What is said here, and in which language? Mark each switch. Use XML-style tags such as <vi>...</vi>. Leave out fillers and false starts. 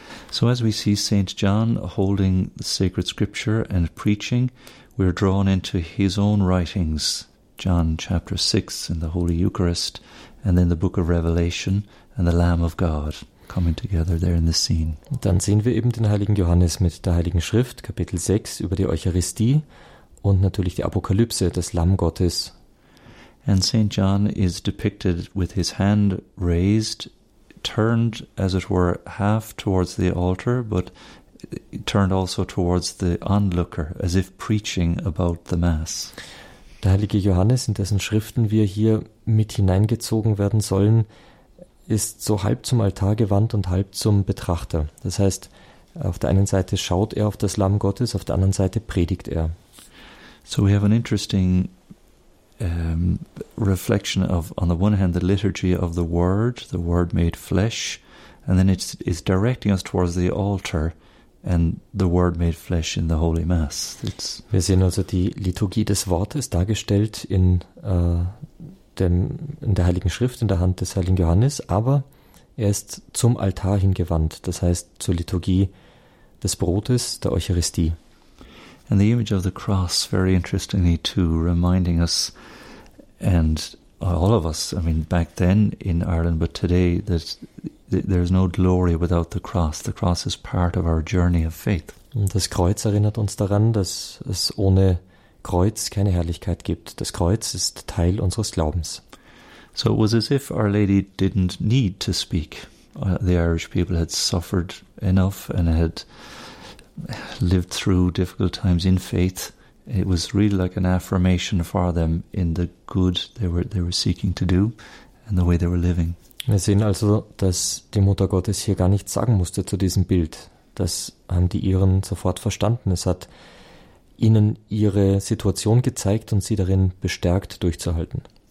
<en>So as we see St. John holding the sacred scripture and preaching, we're drawn into his own writings. John chapter 6 in the Holy Eucharist and then the book of Revelation and the Lamb of God coming together there in the scene.</en> <de>Dann sehen wir eben den heiligen Johannes mit der heiligen Schrift, Kapitel 6 über die Eucharistie und natürlich die Apokalypse, das Lamm Gottes.</de> <en>And St. John is depicted with his hand raised, turned as it were half towards the altar, but turned also towards the onlooker, as if preaching about the Mass.</en> <de>Der heilige Johannes, in dessen Schriften wir hier mit hineingezogen werden sollen, ist so halb zum Altar gewandt und halb zum Betrachter. Das heißt, auf der einen Seite schaut er auf das Lamm Gottes, auf der anderen Seite predigt er.</de> <en>So we have an interesting reflection of, on the one hand, the liturgy of the Word made flesh, and then it's directing us towards the altar. And the Word made flesh in the Holy Mass.</en> <de>Wir sehen also die Liturgie des Wortes dargestellt in der Heiligen Schrift, in der Hand des heiligen Johannes, aber er ist zum Altar hingewandt, das heißt zur Liturgie des Brotes, der Eucharistie.</de> <en>And the image of the cross, very interestingly too, reminding us and all of us, I mean, back then in Ireland, but today, that there's no glory without the cross. The cross is part of our journey of faith.</en> <de>Das Kreuz erinnert uns daran, dass es ohne Kreuz keine Herrlichkeit gibt. Das Kreuz ist Teil unseres Glaubens.</de> <en>So it was as if Our Lady didn't need to speak. The Irish people had suffered enough and had lived through difficult times in faith. It was really like an affirmation for them in the good they were seeking to do and the way they were living.</en> <de>Wir sehen also, dass die Mutter Gottes hier gar nichts sagen musste zu diesem Bild. Das haben die Iren sofort verstanden. Es hat ihnen ihre Situation gezeigt und sie darin bestärkt, durchzuhalten.</de>